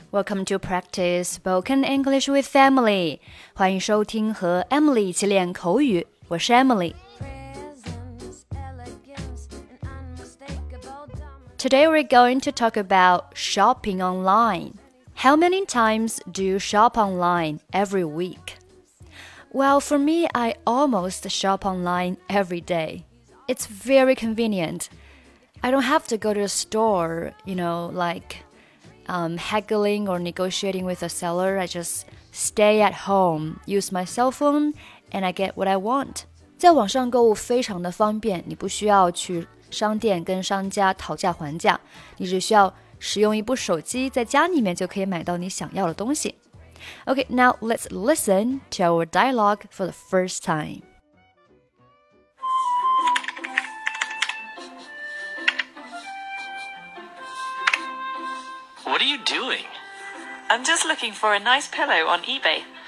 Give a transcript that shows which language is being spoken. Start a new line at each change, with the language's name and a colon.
English: Welcome to Practice Spoken English with Emily.
Chinese: 欢迎收听和 Emily 一起练口语。我是 Emily.
English: Today, we're going to talk about shopping online. How many times do you shop online every week? Well, for me, I almost shop online every day. It's very convenient. I don't have to go to a store, you know, like... haggling or negotiating with a seller. I just stay at home, use my cell phone, and I get what I want.
Chinese: 在网上购物非常的方便，你不需要去商店跟商家讨价还价，你只需要使用一部手机，在家里面就可以买到你想要的东西。
English: Okay, now let's listen to our dialogue for the first time. What are you doing? I'm just looking for a nice pillow on eBay.